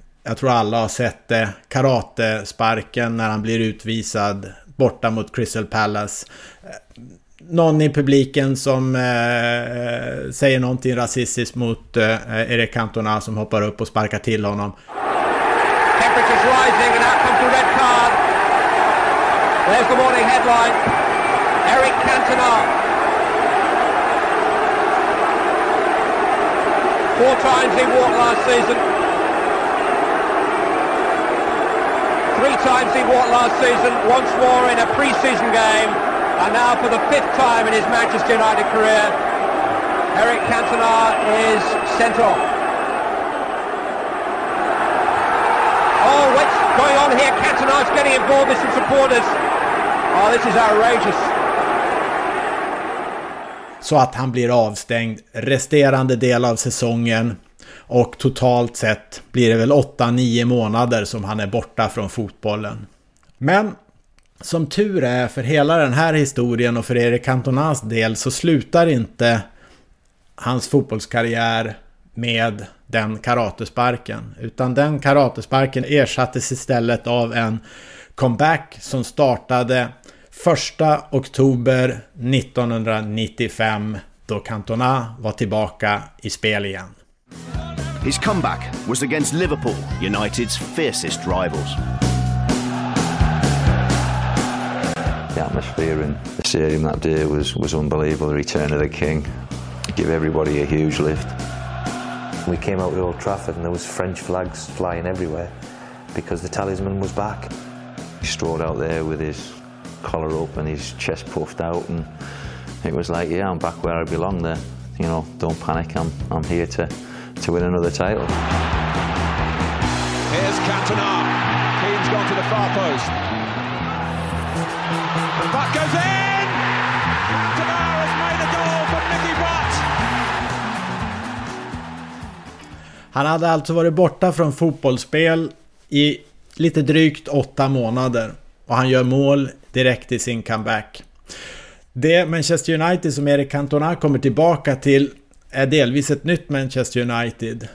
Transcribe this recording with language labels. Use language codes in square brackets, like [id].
[sv] Jag tror alla har sett det, karatesparken när han blir utvisad borta mot Crystal Palace. Någon i publiken som säger någonting rasistiskt mot Erik Cantona som hoppar upp och sparkar till honom. [en] Temperatures rising and out comes the red card. There's the morning headline. Erik Cantona. 4 times he walked last season. 3 times he walked last season. Once more in a pre-season game. And now for the 5th time in his Manchester United career, Erik Cantona is sent off. Oh, what's going on here? Cantona's getting involved with some supporters. Oh, this is outrageous. [sv] Så att han blir avstängd resterande del av säsongen. Och totalt sett blir det väl 8-9 månader som han är borta från fotbollen. Men som tur är för hela den här historien och för Erik Cantonas del så slutar inte hans fotbollskarriär med den karatesparken. Utan den karatesparken ersattes istället av en comeback som startade 1 oktober 1995 då Cantona var tillbaka i spel igen. [en] His comeback was against Liverpool, United's fiercest rivals. The atmosphere in the stadium that day was unbelievable. The return of the king gave everybody a huge lift. We came out to Old Trafford and there was French flags flying everywhere because the talisman was back. He strode out there with his collar up and his chest puffed out, and it was like, yeah, I'm back where I belong there. You know, don't panic, I'm here to win another title. Here's Cantona. Keane's gone to the far post. Butt goes in! Cantona has made a goal for Mickey Butt! [sv] Han hade alltså varit borta från fotbollsspel i lite drygt 8 månader. Och han gör mål direkt i sin comeback. Det Manchester United som Erik Cantona kommer tillbaka till är delvis ett nytt Manchester United.